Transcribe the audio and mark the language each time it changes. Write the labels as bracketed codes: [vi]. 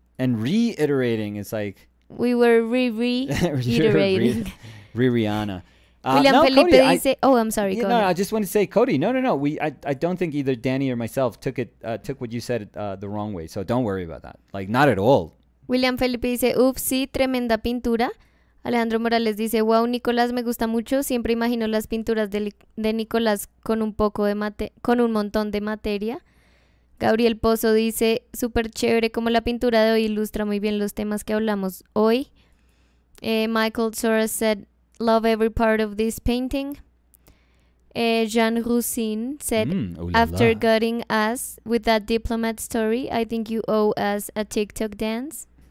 [en] And reiterating is like... We were reiterating. Rihanna. William Felipe dice... Oh, I'm sorry, Cody. No, I just want to say, Cody, no. I don't think either Danny or myself took what you said the wrong way. So don't worry about that. Like, not at all. [es] William Felipe dice, oopsie, tremenda pintura. Alejandro Morales dice, wow, Nicolás, me gusta mucho. Siempre imagino las pinturas de Nicolás con un poco de con un montón de materia. Gabriel Pozo dice, súper chévere como la pintura de hoy ilustra muy bien los temas que hablamos hoy. [en] Michael Soros said, love every part of this painting. Jean Roussin said, after gutting us with that diplomat story, I think you owe us a TikTok dance.